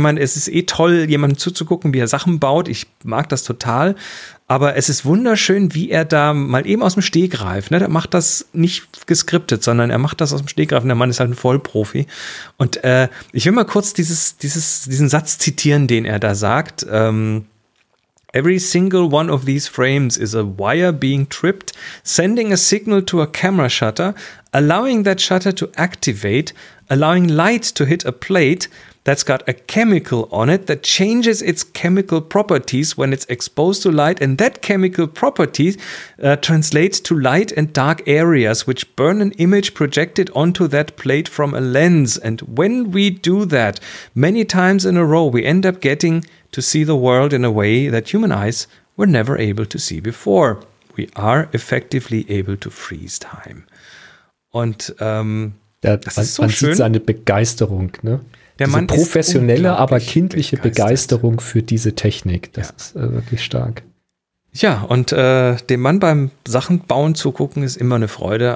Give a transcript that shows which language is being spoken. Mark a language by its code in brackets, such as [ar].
[de] Ich meine, es ist eh toll, jemandem zuzugucken, wie er Sachen baut. Ich mag das total. Aber es ist wunderschön, wie er da mal eben aus dem Stegreif, ne? Der macht das nicht geskriptet, sondern er macht das aus dem Stegreif. Und der Mann ist halt ein Vollprofi. Und ich will mal kurz diesen Satz zitieren, den er da sagt. [en] Every single one of these frames is a wire being tripped, sending a signal to a camera shutter, allowing that shutter to activate, allowing light to hit a plate that's got a chemical on it that changes its chemical properties when it's exposed to light, and that chemical property translates to light and dark areas which burn an image projected onto that plate from a lens. And when we do that many times in a row, we end up getting to see the world in a way that human eyes were never able to see before. We are effectively able to freeze time. Und [de] ja, das ist so man schön. Sieht seine Begeisterung, ne? Der Mann professionelle, ist aber kindliche Begeisterung für diese Technik. Das ist wirklich stark. Ja, und dem Mann beim Sachenbauen zugucken ist immer eine Freude.